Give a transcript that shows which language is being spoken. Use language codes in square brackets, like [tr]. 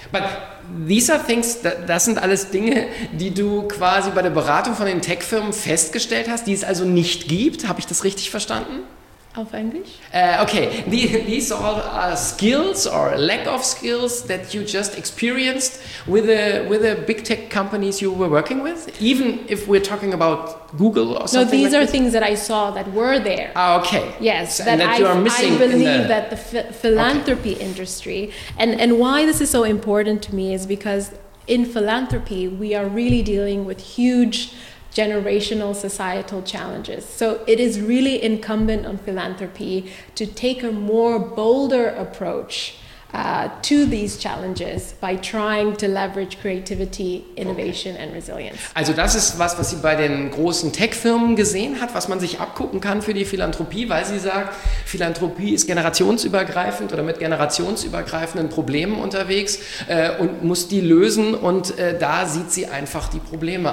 [en] But these are things, [de] das sind alles Dinge, die du quasi bei der Beratung von den Tech-Firmen festgestellt hast, die es also nicht gibt. Habe ich das richtig verstanden? Auf Englisch? Okay. [en] These all are skills or lack of skills that you just experienced with the big tech companies you were working with. Even if we're talking about Google or something. No, these like are this? Things that I saw that were there. Ah, okay. Yes, and that you are missing. I believe that the philanthropy industry and why this is so important to me is because in philanthropy we are really dealing with huge generational societal challenges. So it is really incumbent on philanthropy to take a more bolder approach to these challenges by trying to leverage creativity, innovation and resilience. [de] Also das ist was sie bei den großen Tech-Firmen gesehen hat, was man sich abgucken kann für die Philanthropie, weil sie sagt, Philanthropie ist generationsübergreifend oder mit generationsübergreifenden Problemen unterwegs und muss die lösen und da sieht sie einfach die Probleme.